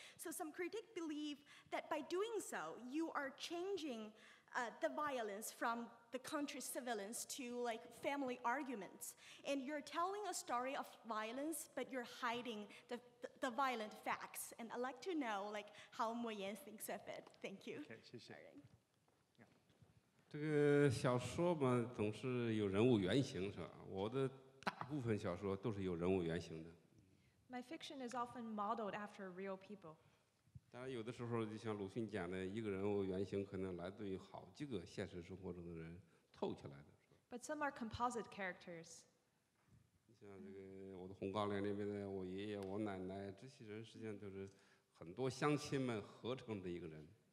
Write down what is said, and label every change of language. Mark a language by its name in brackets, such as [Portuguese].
[English] So some critics believe that by doing so, you are changing the violence from the country's civilians to like family arguments. And you're telling a story of violence, but you're hiding the violent facts. And I'd like to know like how 莫言 thinks of it. Thank you. Okay, [Chinese] 谢谢。这个小说嘛，总是有人物原型是吧？我的大部分小说都是有人物原型的。 [English] My fiction is often modeled after real people. [Chinese] 当然有的时候就像鲁迅讲的，一个人物原型可能来自于好几个现实生活中的人凑起来的。 [English] But some are composite characters. [Chinese] 像这个我的红高粱里面的我爷爷、我奶奶，这些人实际上都是很多乡亲们合成的一个人。